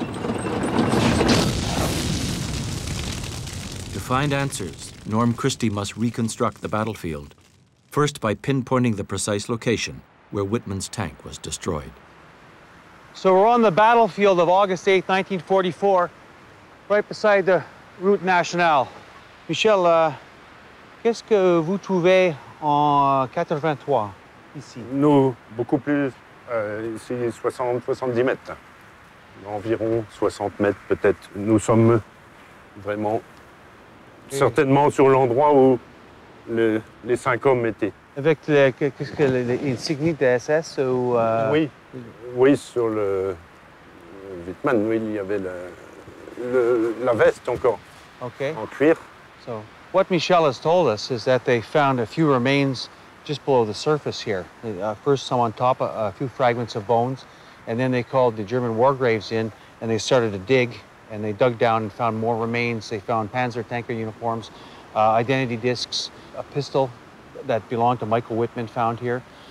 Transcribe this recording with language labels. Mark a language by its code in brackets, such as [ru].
[en] To find answers, Norm Christie must reconstruct the battlefield, first by pinpointing the precise location where Wittmann's tank was destroyed. So we're on the battlefield of August 8, 1944, right beside the Route Nationale. [fr] Michel, qu'est-ce que vous trouvez en 83 ici? Nous, beaucoup plus. Ici, 60-70 mètres. Environ 60 mètres, peut-être. Nous sommes vraiment certainement sur l'endroit où les cinq hommes étaient. Avec les insignes de SS ou. Oui, sur le Wittmann, oui, il y avait la veste encore. [en] Okay. [fr] En cuir. [en] So, what Michel has told us is that they found a few remains just below the surface here. First, some on top, a few fragments of bones, and then they called the German war graves in, and they started to dig, and they dug down and found more remains. They found Panzer tanker uniforms, identity discs, a pistol that belonged to Michael Wittmann found here.